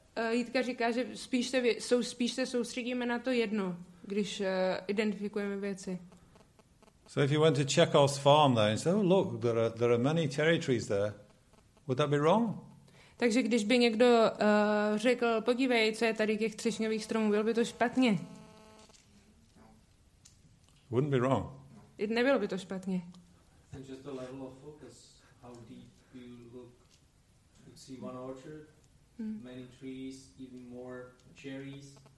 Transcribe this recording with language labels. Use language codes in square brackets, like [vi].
[cs] Jitka říká, že spíš se soustředíme na to jedno, když identifikujeme věci. [en] So if you went to Chekhov's farm there and said, oh look, there are many cherry trees there, would that be wrong? [cs] Takže když by někdo řekl, podívej, co je tady těch třešňových stromů, bylo by to špatně? [en] Wouldn't be wrong. [cs] Nebylo by to špatně. [en] It's just the level of focus, how deep you look. You see one orchard, many trees, even more cherries.